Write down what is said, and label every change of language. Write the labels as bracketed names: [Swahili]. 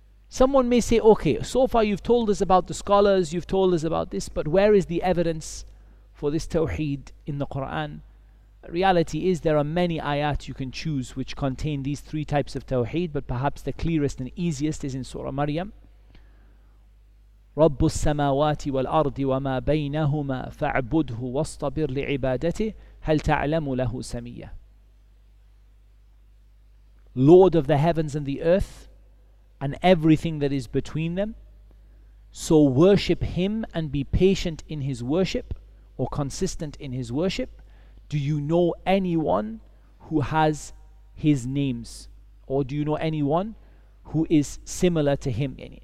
[English] Someone may say, okay, so far you've told us about the scholars, you've told us about this, but where is the evidence for this Tawheed in the Quran? The reality is there are many ayat you can choose which contain these three types of Tawheed, but perhaps the clearest and easiest is in Surah Maryam. [Arabic] رب السماوات والأرض وما بينهما فاعبده واصطبر لعبادته هل تعلم له سمية. [English] Lord of the heavens and the earth and everything that is between them, so worship him and be patient in his worship, or consistent in his worship. Do you know anyone who has his names, or do you know anyone who is similar to him?